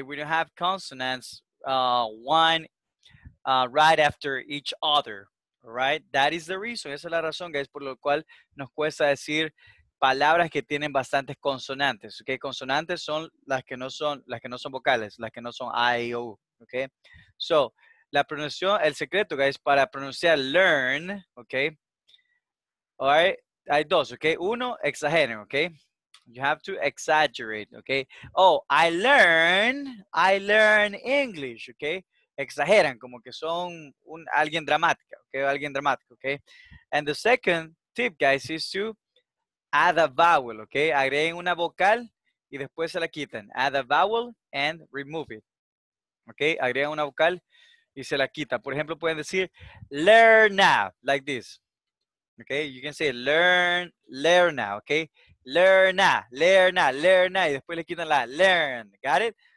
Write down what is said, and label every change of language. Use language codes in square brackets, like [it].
[en] We don't have consonants right after each other, right? That is the reason. [es] Esa es la razón, guys, por lo cual nos cuesta decir palabras que tienen bastantes consonantes, ¿ok? Consonantes son las que no son vocales, las que no son A, I, O, ¿ok? So, la pronunciación, el secreto, guys, para pronunciar learn, ¿ok? [en] All right, [es] hay dos, ¿ok? Uno, exageren, ¿ok? [en] You have to exaggerate, okay? Oh, I learn English, okay? [es] Exageran, como que son alguien dramática, okay? Alguien dramático, okay? [en] And the second tip, guys, is to add a vowel, okay? [es] Agreguen una vocal y después se la quitan. [en] Add a vowel and remove it, okay? [es] Agreguen una vocal y se la quita. Por ejemplo, pueden decir, [en] learn now, like this. Okay, you can say learn now, okay? Learn now, [es] y después le quitan la [en] learn, got it?